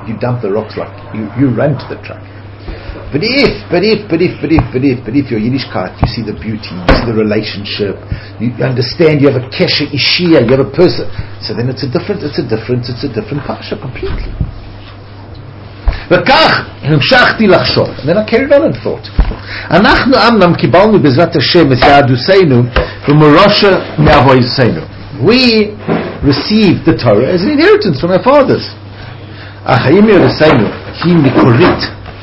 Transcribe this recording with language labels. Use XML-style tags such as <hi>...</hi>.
<en>You dump the rocks like you run to the truck. But if you're Yiddishkeit, you see the beauty, you see the relationship, you understand, you have a kesher ishia, you have a person. So then it's a different parsha completely.</en> <he>וכך המשכתי לחשוב.</he> <en>And then I carried on and thought.</en> <he>אנחנו אמנם קיבלנו בזאת השם את יהדותנו ומורשה מאבותינו.</he> <en>We received the Torah as an inheritance from our fathers.</en> <he>אך האם ירושנו היא מקורית?</he>